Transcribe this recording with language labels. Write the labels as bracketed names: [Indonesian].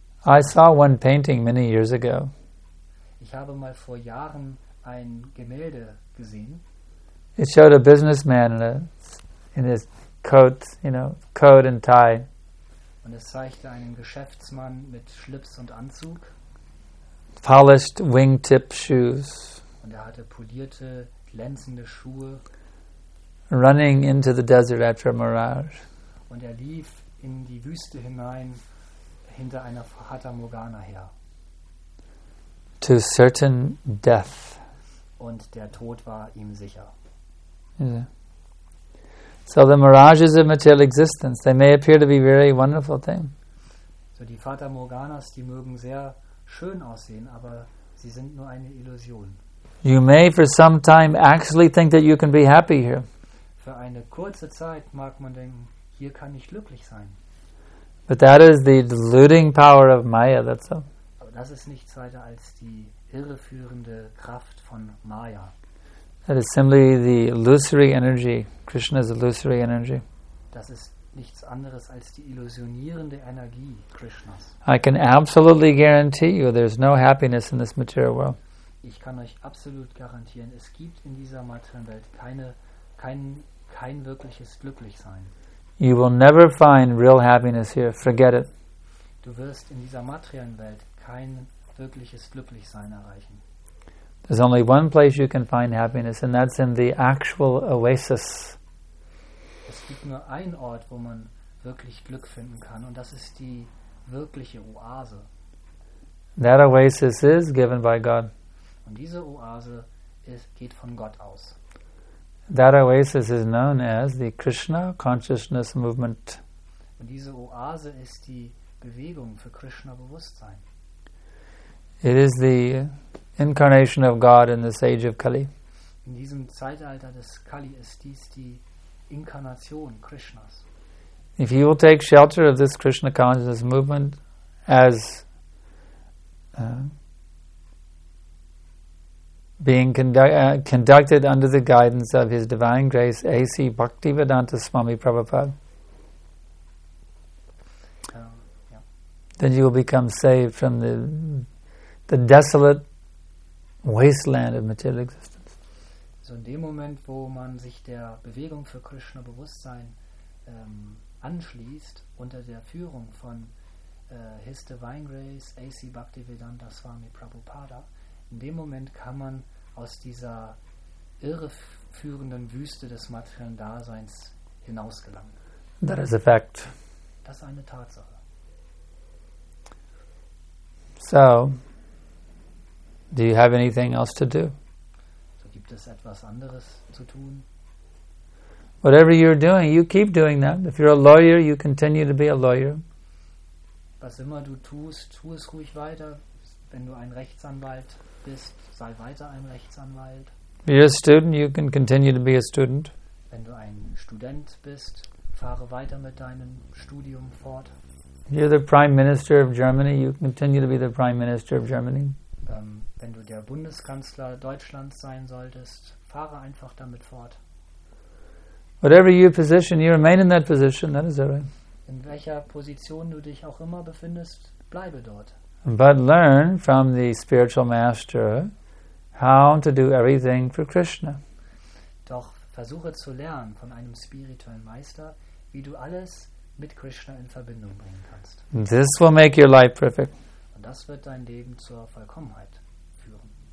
[English] I saw one painting many years ago. [German] Ich habe mal vor Jahren ein Gemälde gesehen. [English] It showed a businessman in his coat, you know, coat and tie. [German] Und es zeigte einen Geschäftsmann mit Schlips und Anzug. [English] Polished wingtip shoes. [German] Und er hatte polierte, glänzende Schuhe. [English] Running into the desert after a mirage. [German] Und er lief in die Wüste hinein hinter einer Fata Morgana her. [English] To certain death. [German] Und der Tod war ihm sicher. Yeah. [English] So the mirages of material existence, they may appear to be a very wonderful thing. [German] So die Fata Morganas, die mögen sehr schön aussehen, aber sie sind nur eine Illusion. [English] You may for some time actually think that you can be happy here. [German] Für eine kurze Zeit mag man denken, hier kann ich glücklich sein. [English] But that is the deluding power of Maya, that's all. [German] Aber das ist nichts weiter als die irreführende Kraft von Maya. [English] That is simply the illusory energy, Krishna's illusory energy. [German] Das ist nichts anderes als die illusionierende Energie Krishnas. [English] I can absolutely guarantee you there's no happiness in this material world. [German] Ich kann euch absolut garantieren, es gibt in dieser materiellen Welt kein wirkliches Glücklichsein. [English] You will never find real happiness here. Forget it. [German] Du wirst in dieser materiellen Welt kein wirkliches Glücklichsein erreichen. [English] There's only one place you can find happiness, and that's in the actual oasis. [German] Es gibt nur einen Ort, wo man wirklich Glück finden kann, und das ist die wirkliche Oase. [English] That oasis is given by God. [German] Und diese Oase geht von Gott aus. [English] That oasis is known as the Krishna Consciousness Movement. [German] Und diese Oase ist die Bewegung für Krishna Bewusstsein. [English] It is the incarnation of God in this age of Kali. [German] In diesem Zeitalter des Kali ist dies die Inkarnation Krishnas. [English] If you will take shelter of this Krishna Consciousness Movement as being conducted under the guidance of His Divine Grace A.C. Bhaktivedanta Swami Prabhupada, then you will become saved from the desolate wasteland of material existence. [German] So in dem Moment, wo man sich der Bewegung für Krishna Bewusstsein anschließt, unter der Führung von His Divine Grace A.C. Bhaktivedanta Swami Prabhupada, in dem Moment kann man aus dieser irre führenden Wüste des materiellen Daseins hinausgelangen. [English] That is a fact. [German] Das ist eine Tatsache. [English] So, do you have anything else to do? [German] So gibt es etwas anderes zu tun? [English] Whatever you're doing, you keep doing that. If you're a lawyer, you continue to be a lawyer. [German] Was immer du tust, tu es ruhig weiter. Wenn du ein Rechtsanwalt bist, sei weiter ein Rechtsanwalt. [English] If you're a student, you can continue to be a student. [German] Wenn du ein Student bist, fahre weiter mit deinem Studium fort. [English] You're the Prime Minister of Germany, you continue to be the Prime Minister of Germany. [German] Wenn du der Bundeskanzler Deutschlands sein solltest, fahre einfach damit fort. [English] Whatever your position, you remain in that position, that is all right. [German] In welcher Position du dich auch immer befindest, bleibe dort. [English] But learn from the spiritual master how to do everything for Krishna. [German] Doch versuche zu lernen von einem spirituellen Meister, wie du alles mit Krishna in Verbindung bringen kannst. [English] This will make your life perfect. [German] Und das wird dein Leben zur Vollkommenheit führen.